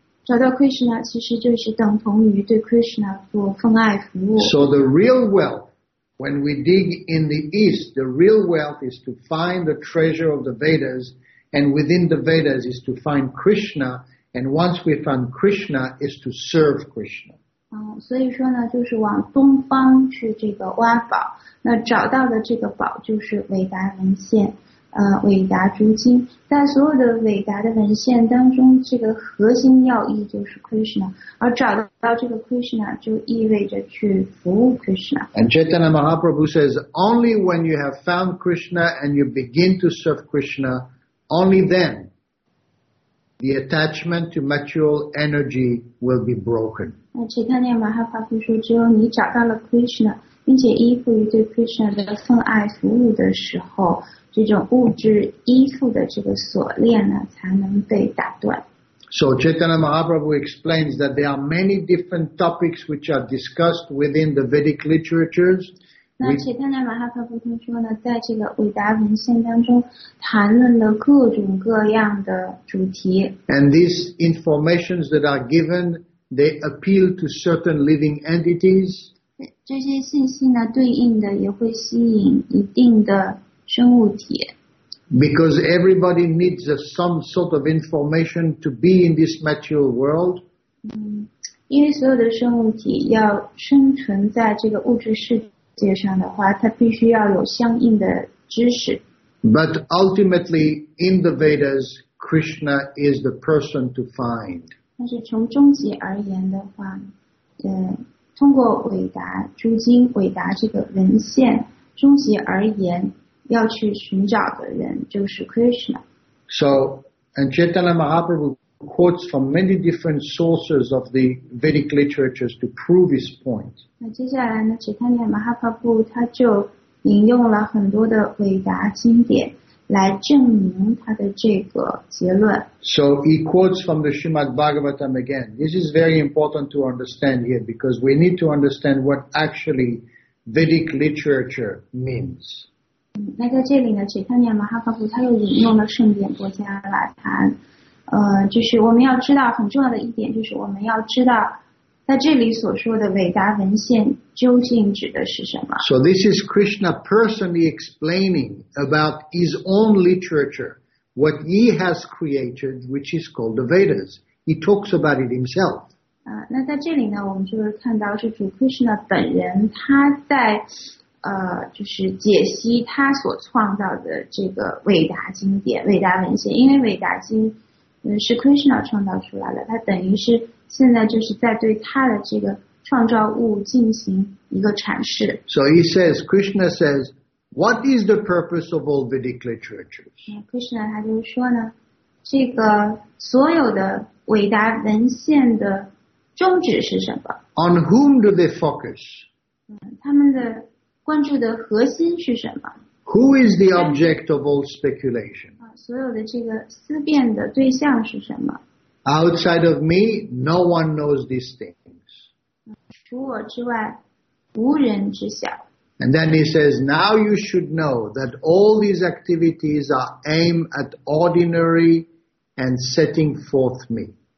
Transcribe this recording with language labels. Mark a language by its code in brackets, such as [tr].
[zh] 找到 Krishna 其实就是等同于对 Krishna 做奉爱服务。 [en] So the real wealth,When we dig in the east, the real wealth is to find the treasure of the Vedas, and within the Vedas is to find Krishna, and once we find Krishna, is to serve Krishna. [zh] 所以说呢，就是往东方去这个挖宝，那找到的这个宝就是伟达文献，伟达诸经。在所有的伟达的文献当中，这个核心要义就是 Krishna， 而找到这个 Krishna 就意味着去服务 Krishna。 [en] And Chaitanya Mahaprabhu says, only when you have found Krishna and you begin to serve Krishna, only then the attachment to material energy will be broken. [zh] 那 Chaitanya Mahaprabhu 说，只有你找到了 Krishna， 并且依附于对 Krishna 的奉爱服务的时候。这种物质依附的这个锁链呢，才能被打断。 [en] So Chaitanya Mahaprabhu explains that there are many different topics which are discussed within the Vedic literatures. [zh] 那 Chaitanya Mahaprabhu 听说呢，在这个伟达文献当中谈论了各种各样的主题。 [en] And these informations that are given, they appeal to certain living entities. [zh] 这些信息呢，对应的也会吸引一定的。生物体 [en] Because everybody needs some sort of information to be in this material world. [zh] 因为所有的生物体要生存在这个物质世界上的话，它必须要有相应的知识。 [en] But ultimately, in the Vedas, Krishna is the person to find. [zh] 但是从终极而言的话，通过伟达诸经、伟达这个文献，终极而言。要去寻找的人就是 Krishna. [en] So, and Chaitanya Mahaprabhu quotes from many different sources of the Vedic literatures to prove his point. [zh] 那接下来呢 ，Chaitanya Mahaprabhu 他就引用了很多的伟达经典来证明他的这个结论。 [en] So he quotes from the Srimad Bhagavatam again. This is very important to understand here because we need to understand what actually Vedic literature means. [zh] 那在这里呢，解开念马哈法布他又引用了圣典国家瓦坛，就是我们要知道很重要的一点，就是我们要知道在这里所说的伟达文献究竟指的是什么。 [en] So this is Krishna personally explaining about his own literature, what he has created, which is called the Vedas. He talks about it himself. [zh] 那在这里呢，我们就是看到是主 Krishna 本人他在。就是解析他所创造的这个伟达经典、伟达文献，因为伟达经，是 Krishna 创造出来的，他等于是现在就是在对他的这个创造物进行一个阐释。 [en] So he says, Krishna says, what is the purpose of all Vedic literatures? [zh] Krishna 他就说呢，这个所有的伟达文献的宗旨是什么。 [en] On whom do they focus? [zh] 他们的关注的核心是什么。 [en] Who is the object of all speculation? [zh] 所有的这个思辨的对象是什么。 [en] Outside of me, no one knows these things. [zh] 除我之外，无人知晓。 [en] And then he says, now you should know that all these activities are aimed at ordinary and setting forth me.